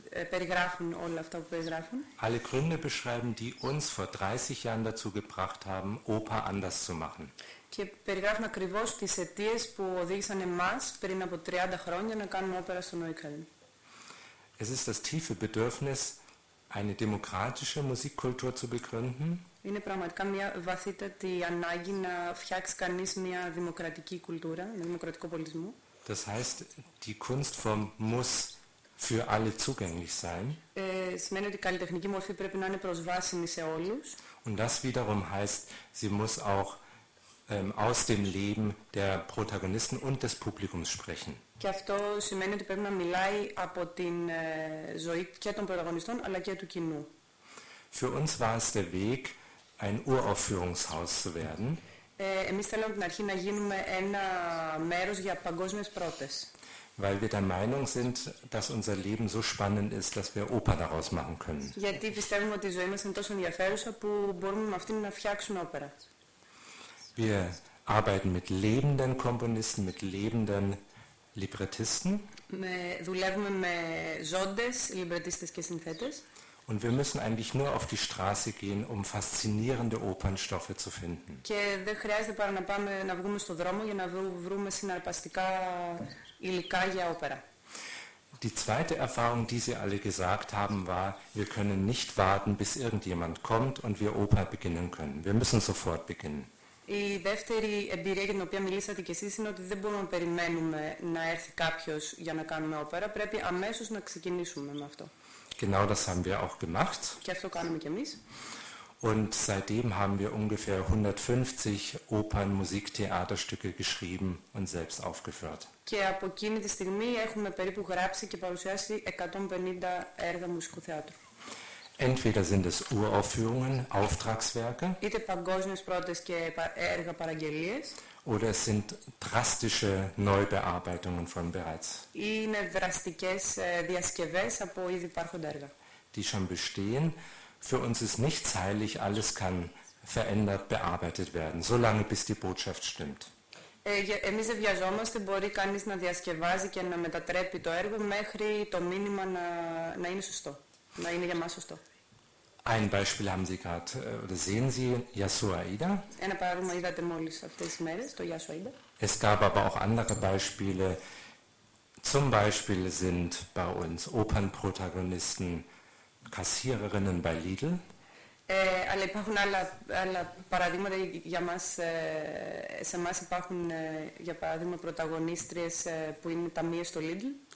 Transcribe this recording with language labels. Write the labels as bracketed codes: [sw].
[el] περιγράφουν όλα αυτά που περιγράφουν, [de] alle Gründe beschreiben, die uns vor 30 Jahren dazu gebracht haben, Oper anders zu machen. [el] Και περιγράφουν ακριβώς τις αιτίες που οδήγησαν εμάς πριν από 30 χρόνια να κάνουμε όπερα στο Neukölln. [de] Es ist das tiefe Bedürfnis, eine demokratische Musikkultur zu begründen. [el] Είναι πραγματικά μια βαθύτατη ανάγκη να φτιάξει κανείς μια δημοκρατική κουλτούρα, ένα δημοκρατικό πολιτισμό. [de] Das heißt, die Kunstform muss für alle zugänglich sein. [el] Σημαίνει ότι η καλλιτεχνική μορφή πρέπει να είναι προσβάσιμη σε όλους. [de] Und das wiederum heißt, sie muss auch aus dem Leben der Protagonisten und des Publikums sprechen. [el] Και αυτό σημαίνει ότι πρέπει να μιλάει από την ζωή και των πρωταγωνιστών αλλά και του κοινού. [de] Für uns war es der Weg, ein Uraufführungshaus zu werden. [el] Εμείς θέλαμε από την αρχή να γίνουμε ένα μέρος για παγκόσμιες πρώτες. [de] Weil wir der Meinung sind, dass unser Leben so spannend ist, dass wir Oper daraus machen können. [el] Γιατί πιστεύουμε ότι η ζωή μας είναι τόσο ενδιαφέρουσα που μπορούμε με αυτήν να φτιάξουμε όπερα. [de] Wir arbeiten mit lebenden Komponisten, mit lebenden Librettisten. [el] Δουλεύουμε με ζώντες, librettistes και συνθέτες. [de] Und wir müssen eigentlich nur auf die Straße gehen, um faszinierende Opernstoffe zu finden. [el] Και δεν χρειάζεται παρά να πάμε να βγούμε στον δρόμο για να βρούμε συναρπαστικά υλικά για όπερα. [de] Die zweite Erfahrung, die Sie alle gesagt haben, war, wir können nicht warten, bis irgendjemand kommt und wir Oper beginnen können. Wir müssen sofort beginnen. [el] Η δεύτερη εμπειρία για την οποία μιλήσατε και εσείς είναι ότι δεν μπορούμε να περιμένουμε να έρθει κάποιος για να κάνουμε όπερα. Πρέπει αμέσως να ξεκινήσουμε με αυτό. [de] Genau das haben wir auch gemacht. [el] Και αυτό κάνουμε και εμείς. [de] Und seitdem haben wir ungefähr 150 Opern, Musiktheaterstücke geschrieben und selbst aufgeführt. [el] Και από εκείνη τη στιγμή έχουμε περίπου γράψει και παρουσιάσει 150 έργα μουσικού θεάτρου. [de] Entweder sind es Uraufführungen, Auftragswerke, [el] είτε παγκόσμιες πρώτες και έργα παραγγελίες, [de] oder es sind drastische Neubearbeitungen von bereits, [el] είναι δραστικές διασκευές από ήδη υπάρχοντα έργα, [de] die schon bestehen. Für uns ist nichts heilig, alles kann verändert, bearbeitet werden, solange bis die Botschaft stimmt. [el] Εμείς δεν βιαζόμαστε, μπορεί κανείς να διασκευάζει και να μετατρέπει το έργο μέχρι το μήνυμα να είναι σωστό. Να είναι για μας σωστό. [de] Ein Beispiel haben Sie gerade, oder sehen Sie, Yasuo Aida. [el] Ένα παράδειγμα είδατε μόλις αυτές τις μέρες, το Yasuo Aida. [de] Es gab aber auch andere Beispiele. Zum Beispiel sind bei uns Opernprotagonisten Kassiererinnen bei Lidl. [el] Αλλά υπάρχουν άλλα παραδείγματα για μας. Σε εμάς υπάρχουν, για παράδειγμα, πρωταγωνίστριες που είναι ταμείες στο Lidl.